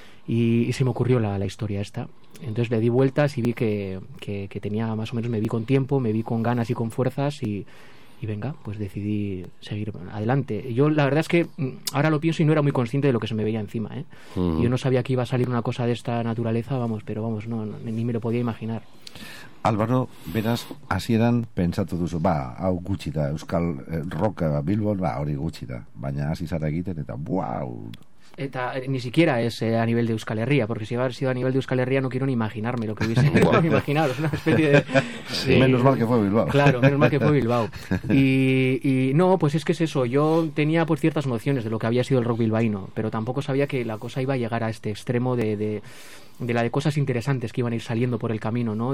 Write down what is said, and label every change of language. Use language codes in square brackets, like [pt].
[es] Y se me ocurrió la historia esta. Entonces le di vueltas y vi que tenía más o menos, me vi con tiempo, me vi con ganas y con fuerzas y venga, pues decidí seguir adelante. Yo la verdad es que ahora lo pienso y no era muy consciente de lo que se me veía encima, ¿eh? Uh-huh. Yo no sabía que iba a salir una cosa de esta naturaleza, vamos, pero vamos, no, ni me lo podía imaginar. [eu] Álvaro, beraz, hasieran pentsatu duzu, ba, hau gutxi da, euskal roka Bilbon, ba, hori gutxi da, baina hasi zara egiten eta buau. [es] Eta ni siquiera es a nivel de Euskal Herria, porque si hubiera sido a nivel de Euskal Herria no quiero ni imaginarme lo que hubiese imaginado. Es una especie de... Sí. Menos mal que fue Bilbao. Claro, menos mal que fue Bilbao. Y no, pues es que es eso. Yo tenía pues ciertas nociones de lo que había sido el rock bilbaíno, pero tampoco sabía que la cosa iba a llegar a este extremo de la de cosas interesantes que iban a ir saliendo por el camino, ¿no?